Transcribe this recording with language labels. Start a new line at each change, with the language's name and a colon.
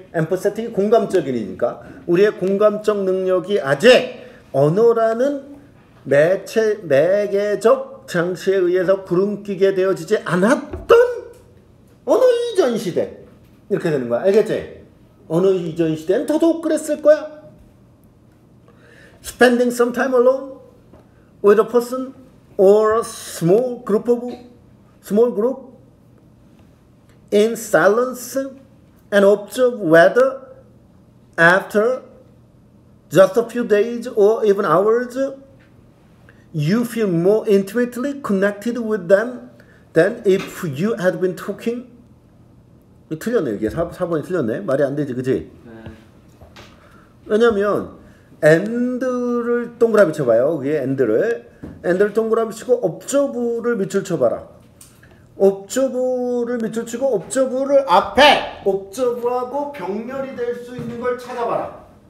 Korean: 엠퍼세틱이 공감적이니까 우리의 공감적 능력이 아직 언어라는 매개적 장치에 의해서 구름 끼게 되어지지 않았던 언어 이전 시대 이렇게 되는 거야. 알겠지? 언어 이전 시대는 더더욱 그랬을 거야.
English: Spending some time alone with a person or a small group in silence and observe whether after just a few days or even hours you feel more intimately connected with them than if you had been talking.
Korean: 틀렸네. 이게 4번이 틀렸네. 말이 안 되지. 그치? 왜냐면 엔드를 동그라미 쳐봐요. 그게 엔드를. 엔드를 동그라미 치고 옵저브를 밑줄 쳐봐라. 옵저브를 밑줄 치고 옵저브를 앞에 옵저브하고 병렬이 될 수 있는 걸 찾아봐라.